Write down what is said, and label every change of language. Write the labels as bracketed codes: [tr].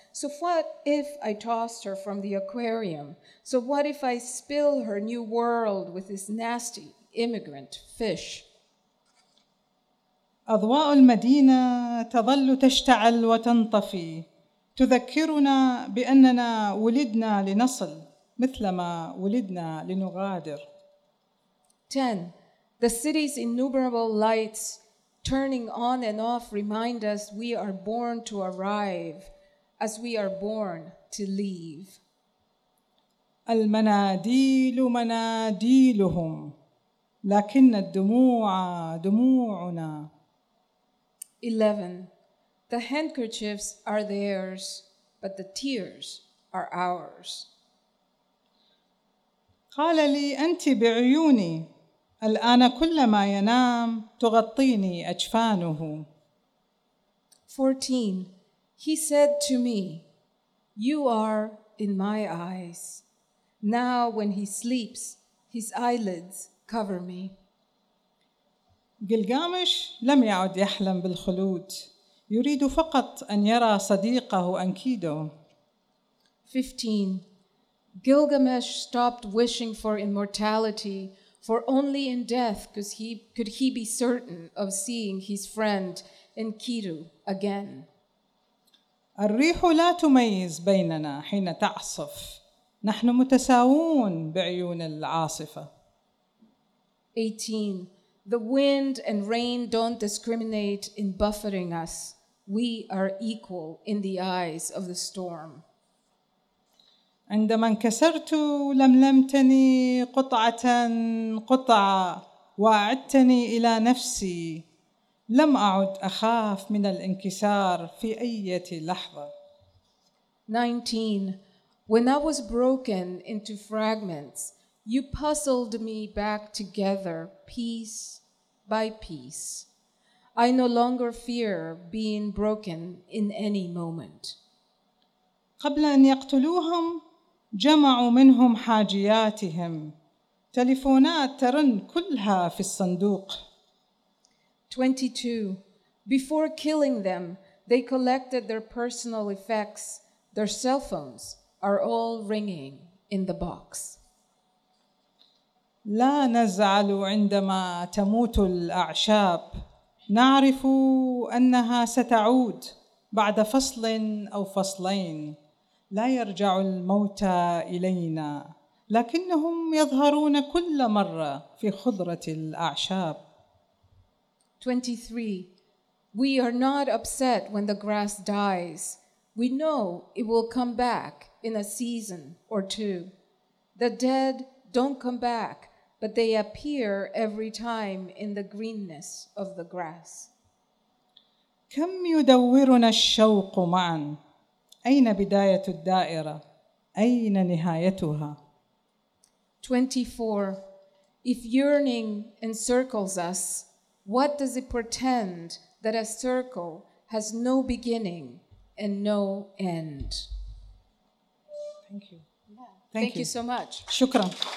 [en] So what if I tossed her from the aquarium? So what if I spill her new world with this nasty immigrant fish? [ar] أضواء المدينة تظل تشتعل وتنطفي تذكرنا بأننا ولدنا لنصل مثلما ولدنا لنغادر. [en] 10. The city's innumerable lights turning on and off remind us we are born to arrive as we are born to leave. [ar] المناديل مناديلهم لكن الدموع دموعنا. [en] 11. The handkerchiefs are theirs, but the tears are ours. [ar] قال لي أنت بعيوني الآن كلما ينام تغطيني أجفانه. [en] 14. He said to me, You are in my eyes. Now when he sleeps, his eyelids cover me. [ar] جلجامش لم يعد يحلم بالخلود يريد فقط أن يرى صديقه أنكيدو. [en] 15. Gilgamesh stopped wishing for immortality, for only in death could he be certain of seeing his friend Enkidu again. [ar] الريح لا تميز بيننا حين تعصف نحن متساوون بعيون العاصفة. [en] 18. The wind and rain don't discriminate in buffeting us. We are equal in the eyes of the storm. [ar] عندما انكسرت لملمتني قطعة قطعة وأعدتني إلى نفسي لم أعد أخاف من الانكسار في أي لحظة. [en] 19. When I was broken into fragments, you puzzled me back together piece by piece. I no longer fear being broken in any moment. [ar] قبل أن يقتلوهم جمعوا منهم حاجياتهم تليفونات ترن كلها في الصندوق. [en] 22. Before killing them, they collected their personal effects. Their cell phones are all ringing in the box. [ar] لا نزعل عندما تموت الأعشاب. نعرف أنها ستعود بعد فصل أو فصلين. لا يرجع الموتى إلينا. لكنهم يظهرون كل مرة في خضرة الأعشاب. [en] 23. We are not upset when the grass dies. We know it will come back in a season or two. The dead don't come back, but they appear every time in the greenness of the grass. [ar] كم يدورنا الشوق معا؟ أين بداية الدائرة؟ أين نهايتها؟ [en] 24. If yearning encircles us, what does it portend that a circle has no beginning and no end? Thank you. Thank you so much. [ar] Shukran.